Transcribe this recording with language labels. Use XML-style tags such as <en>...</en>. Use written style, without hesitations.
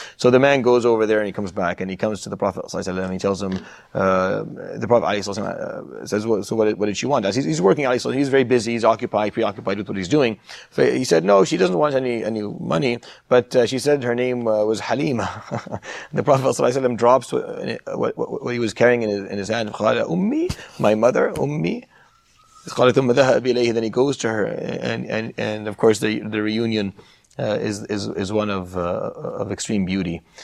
<en>So the man goes over there, and he comes back, and he comes to the Prophet sallallahu alayhi wasalam, and he tells him, the Prophet alayhi salatu wasalam says, well, so what did she want? He's working, alayhi salatu, he's very busy, he's occupied, preoccupied with what he's doing. So he said, no, she doesn't want any money. But she said her name was Halima. The Prophet ﷺ drops what he was carrying in his hand.</en> <ar>قال أمي,</ar> <en>my mother,</en> <ar>أمي. قال ثم ذهب إليه.</ar> <en>Then he goes to her, and of course the reunion is one of extreme beauty.</en>